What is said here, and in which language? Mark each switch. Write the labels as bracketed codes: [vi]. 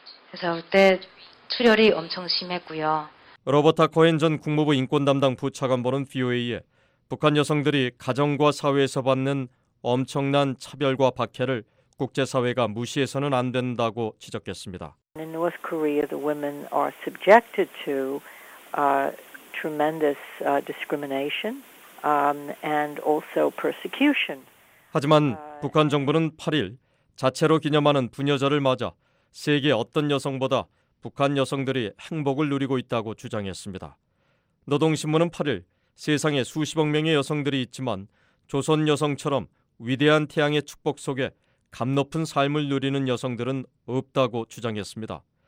[ko] 그래서 그때 출혈이 엄청 심했고요. 로버타 코헨 전 국무부 인권담당 부차관보는 VOA에 북한 여성들이 가정과 사회에서 받는 엄청난 차별과 박해를 국제사회가 무시해서는 안 된다고 지적했습니다. [en] In North Korea, the women are subjected to tremendous discrimination and also persecution. [ko] 하지만 북한 정부는 8일 자체로 기념하는 부녀절을 맞아 세계 어떤 여성보다 북한 여성들이 행복을 누리고 있다고 주장했습니다. 노동신문은 8일 세상에 수십억 명의 여성들이 있지만 조선 여성처럼 위대한 태양의 축복 속에 값높은 삶을 누리는 여성들은 없다고 주장했습니다.